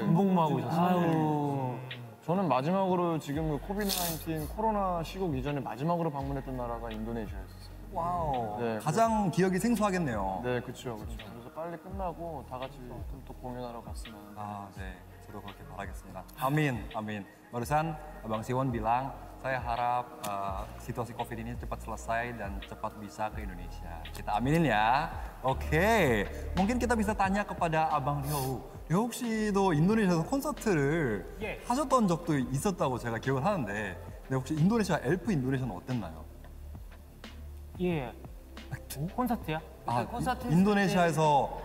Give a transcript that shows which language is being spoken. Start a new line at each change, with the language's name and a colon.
Korean: 군복무하고 있었어요. 저는 마지막으로 지금 그 코비드-19 코로나 시국 이전에 마지막으로 방문했던 나라가 인도네시아였었어요. 와우. 네, 가장 그... 기억이 생소하겠네요. 네, 그렇죠. 그래서 빨리 끝나고 다 같이 또 공연하러 갔으면 하는데 아, 네. 그렇게 바라겠습니다. 아멘.
Indonesian: 머리산 Abang Siwon bilang saya harap situasi Covid ini cepat selesai dan cepat bisa ke Indonesia. Kita aminin ya. Oke. Okay. Mungkin kita bisa tanya kepada Abang Ryohuk.
Korean: Ryohuk 씨도 인도네시아에서 콘서트를
English: yes.
Korean: 하셨던 적도 있었다고 제가 기억을 하는데. 네, 혹시 인도네시아 엘프 인도네시아는 어땠나요? 예. Yeah. 콘서트야? 아, 콘서트 인도네시아에서